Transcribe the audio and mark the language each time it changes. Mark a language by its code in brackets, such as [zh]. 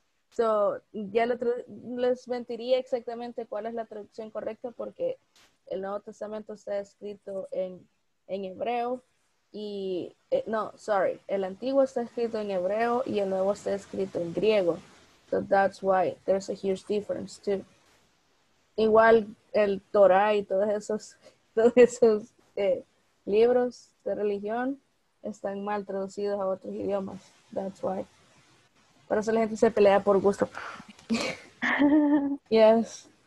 [es] So, ya les mentiría exactamente cuál es la traducción correcta, porque el Nuevo Testamento está escrito en hebreo y, no, sorry, el Antiguo está escrito en hebreo y el Nuevo está escrito en griego. [en] So that's why there's a huge difference too. [es] Igual el Torah y todos esos libros de religión están mal traducidos a otros idiomas. [en] That's why. [es] Por eso la gente se pelea por gusto. Yes.